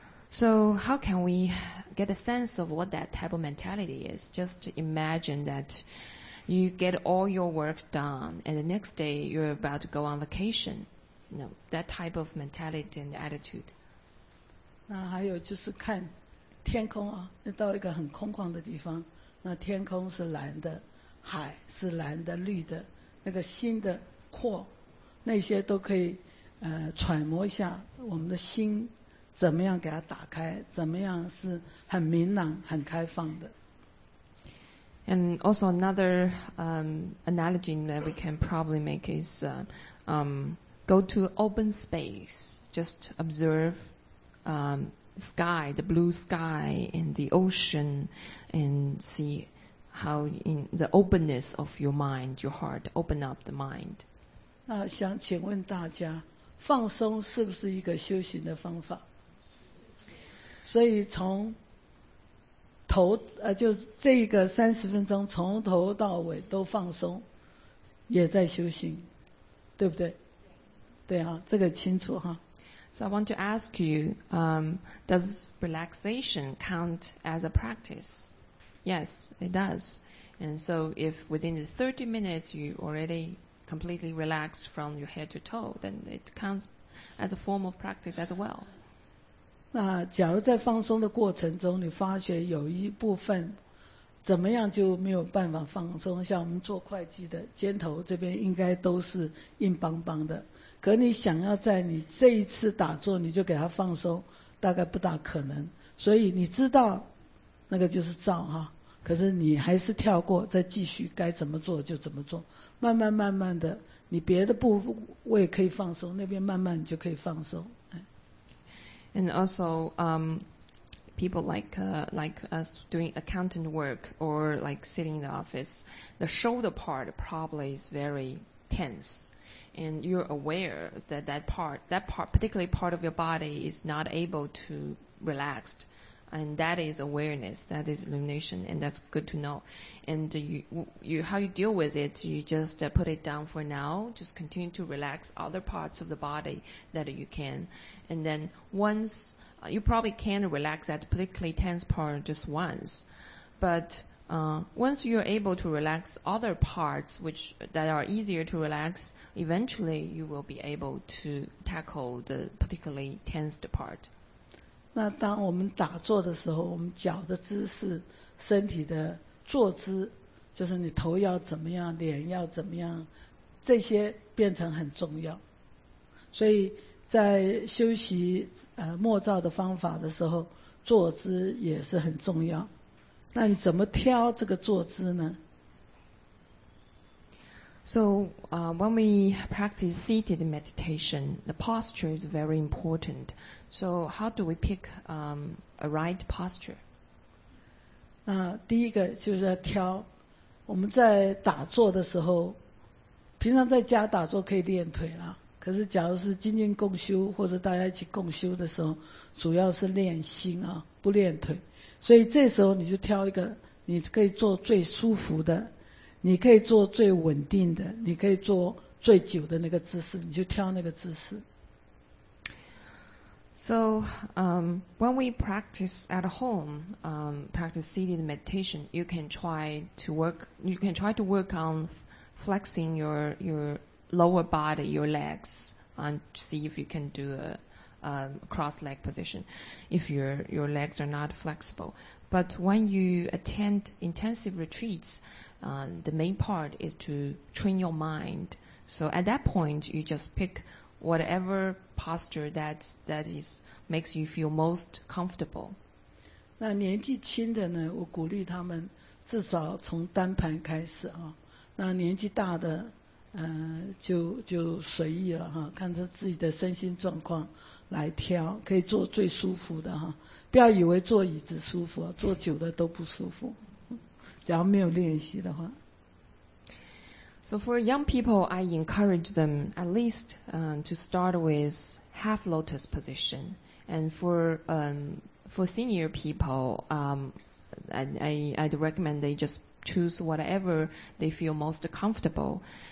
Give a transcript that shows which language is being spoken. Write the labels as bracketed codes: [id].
[en] So how can we get a sense of what that type of mentality is? Just imagine that you get all your work done and the next day you're about to go on vacation. You know, that type of mentality and attitude. [zh] 那还有就是看天空啊，到一个很空旷的地方，那天空是蓝的，海是蓝的绿的，那个心的阔，那些都可以揣摩一下我们的心怎么样给它打开，怎么样是很明朗很开放的。 [en] And also another analogy that we can probably make is go to open space, just observe sky, the blue sky and the ocean, and see how in the openness of your mind, your heart, open up the mind. [zh] 那想请问大家，放松是不是一个修行的方法？所以从头就这个三十分钟从头到尾都放松，也在修行，对不对？对啊，这个清楚哈。 [en] So I want to ask you, does relaxation count as a practice? Yes, it does. And so if within the 30 minutes you already completely relax from your head to toe, then it counts as a form of practice as well. [zh] 那假如在放松的过程中你发觉有一部分怎么样就没有办法放松，像我们做会计的肩头这边应该都是硬邦邦的，可你想要在你这一次打坐你就给它放松，大概不大可能。所以你知道那个就是躁哈，可是你还是跳过再继续该怎么做就怎么做，慢慢慢慢的你别的部位可以放松，那边慢慢你就可以放松。 [en] And also, people like us doing accountant work or like sitting in the office, the shoulder part probably is very tense. And you're aware that that part, particularly part of your body is not able to relax. And that is awareness, that is illumination, and that's good to know. And how you deal with it, you just put it down for now, just continue to relax other parts of the body that you can. And then once, you probably can relax that particularly tense part just once. But once you're able to relax other parts that are easier to relax, eventually you will be able to tackle the particularly tensed part. [zh] 那当我们打坐的时候，我们脚的姿势、身体的坐姿，就是你头要怎么样，脸要怎么样，这些变成很重要。所以在修习默照的方法的时候，坐姿也是很重要。那你怎么挑这个坐姿呢？ [en] So, when we practice seated meditation, the posture is very important. So, how do we pick a right posture? [zh] 那第一个就是要挑，我们在打坐的时候，平常在家打坐可以练腿啦，可是假如是精进共修或者大家一起共修的时候，主要是练心啊，不练腿。所以这时候你就挑一个你可以坐最舒服的，你可以坐最稳定的，你可以坐最久的那个姿势，你就挑那个姿势。 [en] So, when we practice at home, practice seated meditation, you can try to work on flexing your lower body, your legs, and see if you can do a cross leg position if your legs are not flexible. But when you attend intensive retreats, the main part is to train your mind. So at that point, you just pick whatever posture that makes you feel most comfortable. [zh] 那年纪轻的呢，我鼓励他们至少从单盘开始啊。那年纪大的，就随意了哈，看着自己的身心状况来挑，可以坐最舒服的哈，不要以为坐椅子舒服，坐久的都不舒服，只要没有练习的话。 [en] So for young people, I encourage them at least to start with half lotus position, and for senior people, I'd recommend they just choose whatever they feel most comfortable.